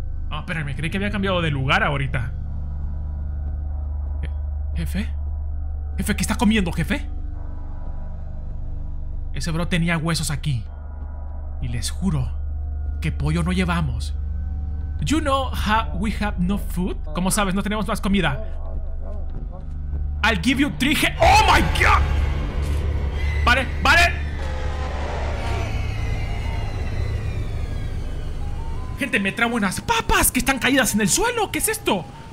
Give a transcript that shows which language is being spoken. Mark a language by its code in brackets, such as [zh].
[es] Ah, oh, espérame, creí que había cambiado de lugar ahorita. ¿Jefe? ¿Jefe, qué está comiendo, jefe? Ese bro tenía huesos aquí. Y les juro que pollo no llevamos. [en] You know how we have no food? [es] Como sabes, no tenemos más comida. [en] I'll give you three he- [es] ¡Oh my god! ¡Pare! ¡Pare! ¡Gente, me trae unas papas que están caídas en el suelo! ¿Qué es esto?